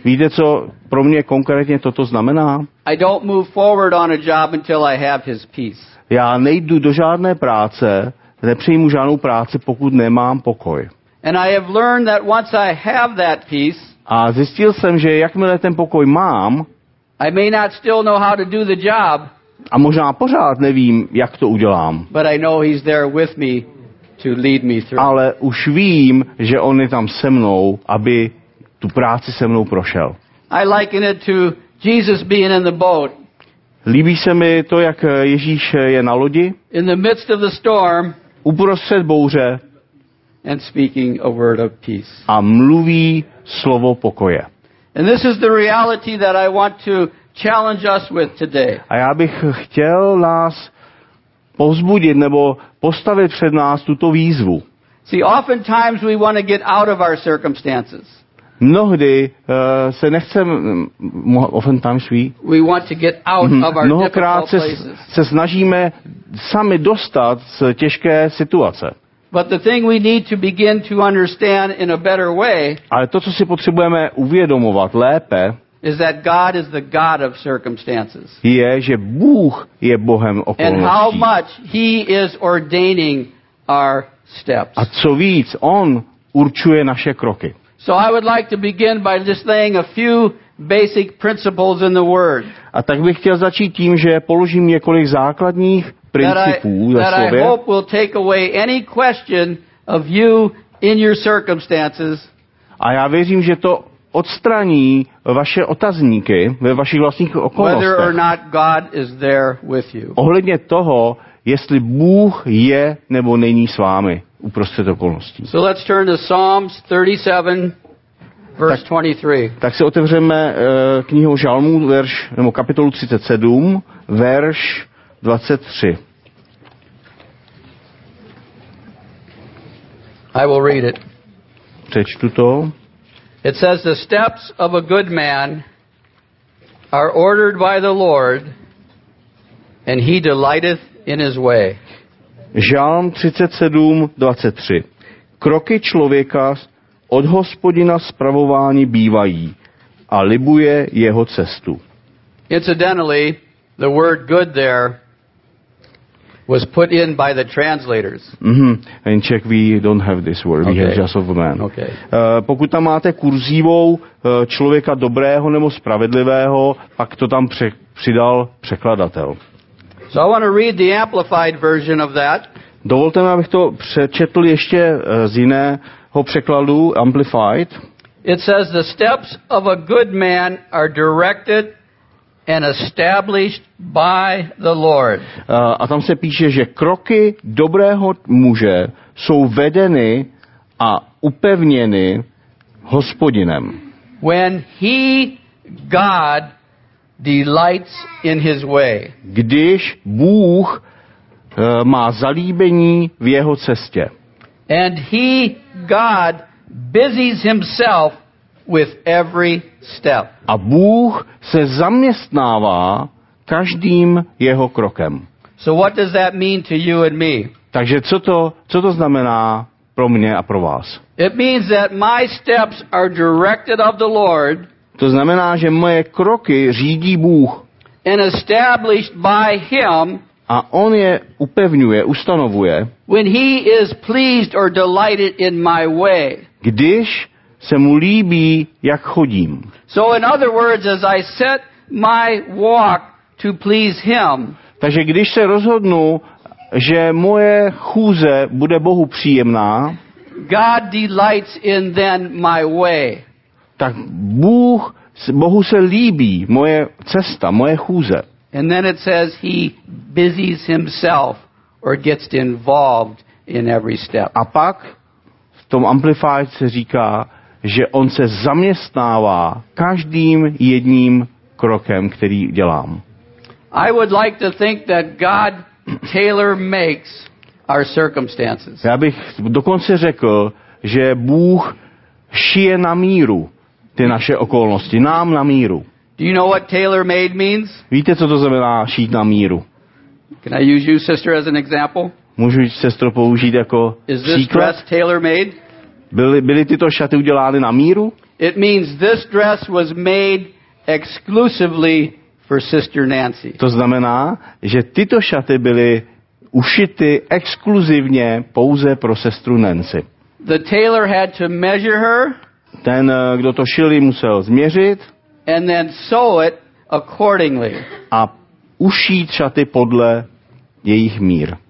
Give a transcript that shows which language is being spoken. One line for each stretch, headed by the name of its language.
Czech: Víte, co pro mě konkrétně toto znamená?
English: I don't move forward on a job until I have his peace.
Czech: Já nejdu do žádné práce, nepřijmu žádnou práci, pokud nemám pokoj.
English: And I have learned that once I have that peace,
Czech: a zjistil jsem, že jakmile ten pokoj mám,
English: I may not still know how to do the job,
Czech: a možná pořád nevím, jak to udělám,
English: but I know he's there with me to lead me through.
Czech: Ale už vím, že on je tam se mnou, aby tu práci se mnou prošel.
English: I liken it to Jesus being in the boat.
Czech: Líbí se mi to, jak Ježíš je na lodi.
English: In the midst of the storm,
Czech: uprostřed bouře,
English: and speaking a word of peace.
Czech: A mluví slovo pokoje.
English: And this is the reality that I want to challenge us with today.
Czech: A já bych chtěl nás povzbudit nebo postavit před nás tuto výzvu.
English: See, oftentimes we want to get out of our circumstances.
Czech: Mnohdy se nechcem,
English: oftentimes we want to get out of our
Czech: mnohokrát
English: difficult
Czech: se,
English: places.
Czech: Se snažíme sami dostat z těžké situace.
English: But the thing we need to begin to understand in a better way,
Czech: ale to, co si potřebujeme uvědomovat lépe,
English: is that God is the God of circumstances.
Czech: Je, že Bůh je Bohem okolností.
English: And how much he is ordaining our steps.
Czech: A co víc, on určuje naše kroky.
English: So I would like to begin by just laying a few basic principles in the word.
Czech: A tak bych chtěl začít tím, že položím několik základních
English: that I hope will take away any question of you in your circumstances.
Czech: A já věřím, že to odstraní vaše otazníky ve vašich vlastních okolnostech.
English: Whether or not God is there with you.
Czech: Ohledně toho, jestli Bůh je nebo není s vámi uprostřed okolností.
English: So let's turn to Psalms 37, verse 23.
Czech: Tak si otevřeme knihu Žalmů, verš nebo kapitolu 37, verš 23.
English: I will read it.
Czech: Přečtu to.
English: It says the steps of a good man are ordered by the Lord and he delighteth in his way.
Czech: Žalm 37:23. Kroky člověka od Hospodina spravovány bývají a libuje jeho cestu. Incidentally, the word good there was put in by the translators. Mm-hmm.
English: In Czech we don't have this word. Okay. We have just of a man. Okay.
Czech: Pokud tam máte kurzívou člověka dobrého nebo spravedlivého, pak to tam přidal překladatel.
English: So I want to read the amplified version of that.
Czech: Dovolte mi, abych to přečetl ještě z jiného překladu, amplified.
English: It says the steps of a good man are directed and established by the Lord.
Czech: A tam se píše, že kroky dobrého muže jsou vedeny a upevněny Hospodinem.
English: When he, God, delights in his way.
Czech: Když Bůh má zalíbení v jeho cestě.
English: And he, God, busies himself with every step.
Czech: A Bůh se zaměstnává každým jeho krokem.
English: So what does that mean to you and me?
Czech: Takže co to znamená pro mě a pro vás?
English: It means that my steps are directed of the Lord.
Czech: To znamená, že moje kroky řídí Bůh.
English: And established by him.
Czech: A on je upevňuje, ustanovuje.
English: When he is pleased or delighted in my way.
Czech: Když se mu líbí, jak chodím.
English: So in other words, as I set my walk to please him.
Czech: Takže když se rozhodnu, že moje chůze bude Bohu příjemná,
English: God delights in then my way.
Czech: Tak Bohu se líbí moje cesta, moje chůze.
English: And then it says he busies himself or gets involved in every step.
Czech: A pak v tom amplified se říká, že on se zaměstnává každým jedním krokem, který dělám.
English: I would like to think that God tailor makes our circumstances.
Czech: Já bych dokonce řekl, že Bůh šije na míru ty naše okolnosti, nám na míru.
English: Do you know what tailor made means?
Czech: Víte, co to znamená šít na míru?
English: Can I use you, sister, as an example?
Czech: Můžu sestro použít jako
English: Is this dress tailor made?
Czech: Byly tyto šaty udělány na míru?
English: It means this dress was made exclusively for Sister Nancy.
Czech: To znamená, že tyto šaty byly ušity exkluzivně pouze pro sestru Nancy.
English: The tailor had to measure her.
Czech: Ten, kdo to šil, musel změřit.
English: And then sew it accordingly.
Czech: A ušít šaty podle jejich mír.